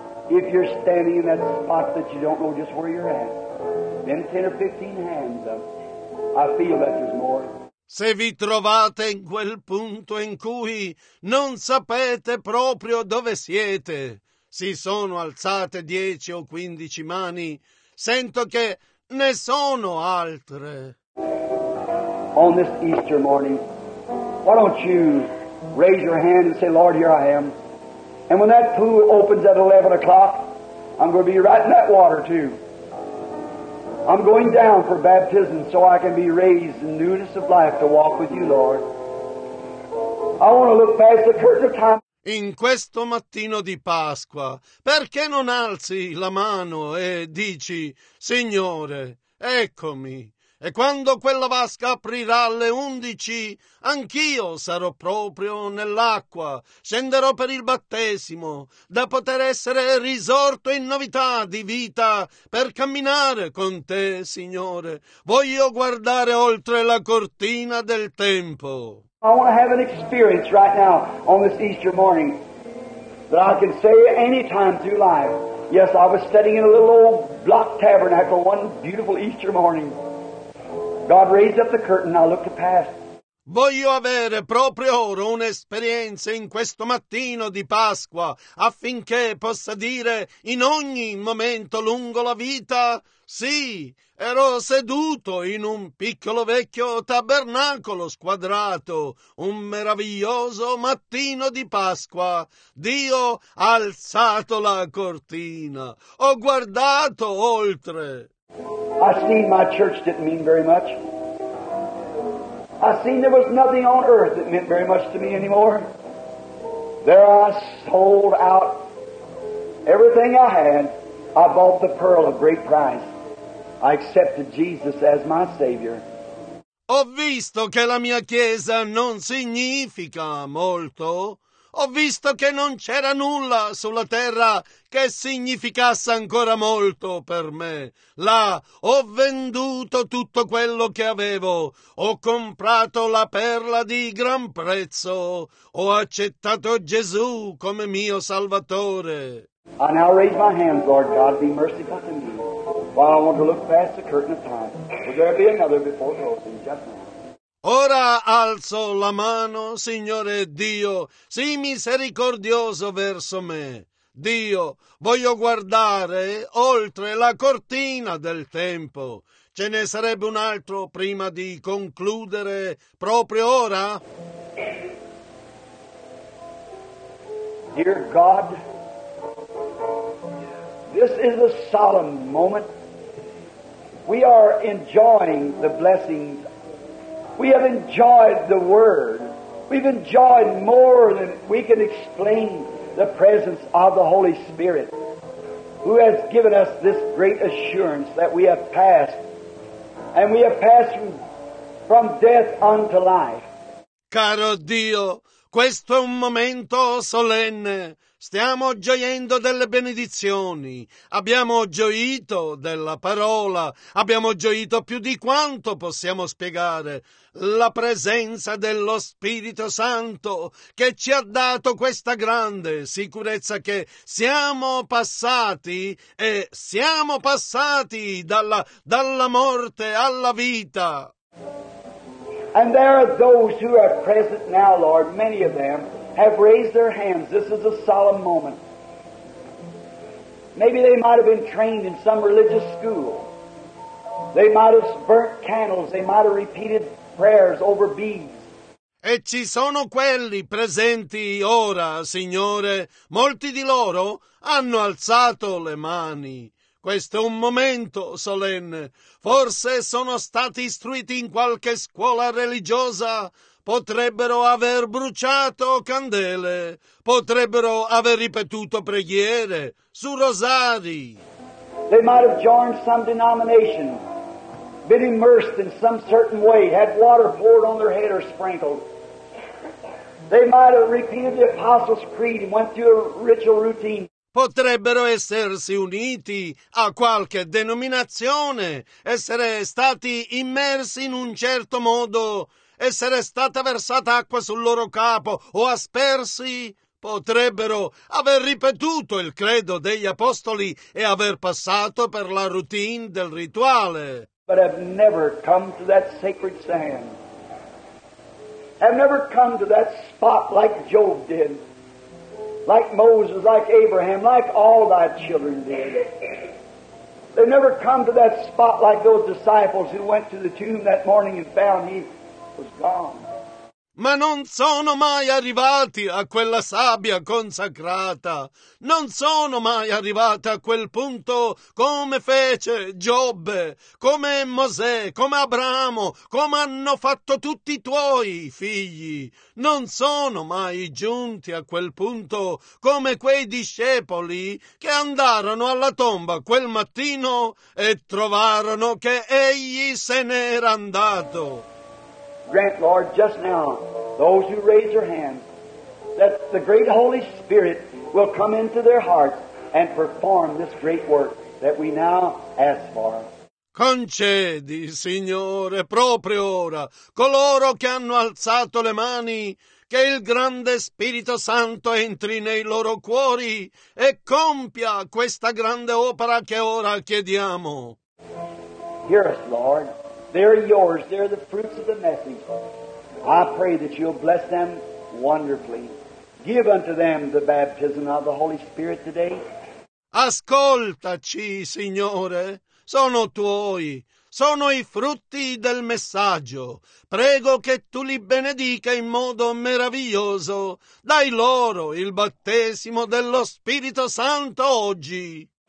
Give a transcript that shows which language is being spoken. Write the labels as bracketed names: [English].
[English] If you're standing in that spot that you don't know just where you're at, then 10 or 15 hands up. I feel that there's more. [Italian] Se vi trovate in quel punto in cui non sapete proprio dove siete, si sono alzate 10 o 15 mani, sento che ne sono altre. [English] On this Easter morning, why don't you raise your hand and say, Lord, here I am. And when that pool opens at 11 o'clock, I'm going to be right in that water too. I'm going down for baptism so I can be raised in newness of life to walk with you, Lord. I want to look past the curtain of time. [Italian] In questo mattino di Pasqua, perché non alzi la mano e dici, Signore, eccomi, e quando quella vasca aprirà alle 11, anch'io sarò proprio nell'acqua, scenderò per il battesimo, da poter essere risorto in novità di vita per camminare con te, Signore. Voglio guardare oltre la cortina del tempo. [English] I want to have an experience right now on this Easter morning that I can say any time through life. Yes, I was studying in a little old block tabernacle one beautiful Easter morning. God raised up the curtain, I looked past. [Italian] Voglio avere proprio ora un'esperienza in questo mattino di Pasqua affinché possa dire in ogni momento lungo la vita, sì, ero seduto in un piccolo vecchio tabernacolo squadrato, un meraviglioso mattino di Pasqua. Dio ha alzato la cortina, ho guardato oltre. [English] I see my church didn't mean very much. I seen there was nothing on earth that meant very much to me anymore. There I sold out everything I had. I bought the pearl of great price. I accepted Jesus as my Savior. [Italian] Ho visto che la mia chiesa non significa molto. Ho visto che non c'era nulla sulla terra che significasse ancora molto per me. Là ho venduto tutto quello che avevo. Ho comprato la perla di gran prezzo. Ho accettato Gesù come mio Salvatore. [English] I now raise my hands, Lord God, be merciful to me. While I want to look past the curtain of time, will there be another before closing just now? [Italian] Ora alzo la mano, Signore Dio, sii misericordioso verso me. Dio, voglio guardare oltre la cortina del tempo. Ce ne sarebbe un altro prima di concludere proprio ora? [English] Dear God, this is a solemn moment. We are enjoying the blessings. We have enjoyed the Word. We've enjoyed more than we can explain the presence of the Holy Spirit, who has given us this great assurance that we have passed, and we have passed from death unto life. [Italian] Caro Dio, questo è un momento solenne. Stiamo gioiendo delle benedizioni. Abbiamo gioito della parola. Abbiamo gioito più di quanto possiamo spiegare. La presenza dello Spirito Santo che ci ha dato questa grande sicurezza che siamo passati e siamo passati dalla morte alla vita. [English] And there are those who are present now, Lord, many of them have raised their hands. This is a solemn moment. Maybe they might have been trained in some religious school. They might have burnt candles. They might have repeated prayers over beads. [Italian] E ci sono quelli presenti ora, Signore. Molti di loro hanno alzato le mani. Questo è un momento solenne. Forse sono stati istruiti in qualche scuola religiosa. Potrebbero aver bruciato candele. Potrebbero aver ripetuto preghiere su rosari. [English] They might have joined some denomination, been immersed in some certain way, had water poured on their head or sprinkled. They might have repeated the Apostles' Creed and went through a ritual routine. [Italian] Potrebbero essersi uniti a qualche denominazione, essere stati immersi in un certo modo, essere stata versata acqua sul loro capo o aspersi. Potrebbero aver ripetuto il credo degli apostoli e aver passato per la routine del rituale. [English] But have never come to that sacred sand. Have never come to that spot like Job did. Like Moses, like Abraham, like all thy children did. They never come to that spot like those disciples who went to the tomb that morning and found he was gone. [Italian] Ma non sono mai arrivati a quella sabbia consacrata. Non sono mai arrivati a quel punto come fece Giobbe, come Mosè, come Abramo, come hanno fatto tutti i tuoi figli. Non sono mai giunti a quel punto come quei discepoli che andarono alla tomba quel mattino e trovarono che egli se n'era andato. [English] Grant, Lord, just now, those who raise their hands, that the great Holy Spirit will come into their hearts and perform this great work that we now ask for. [Italian] Concedi, Signore, proprio ora, coloro che hanno alzato le mani, che il grande Spirito Santo entri nei loro cuori e compia questa grande opera che ora chiediamo. [English] Hear us, Lord. They're yours. They're the fruits of the message. I pray that you'll bless them wonderfully. Give unto them the baptism of the Holy Spirit today. [Italian] Ascoltaci, Signore. Sono tuoi. Sono i frutti del messaggio. Prego che tu li benedica in modo meraviglioso. Dai loro il battesimo dello Spirito Santo oggi.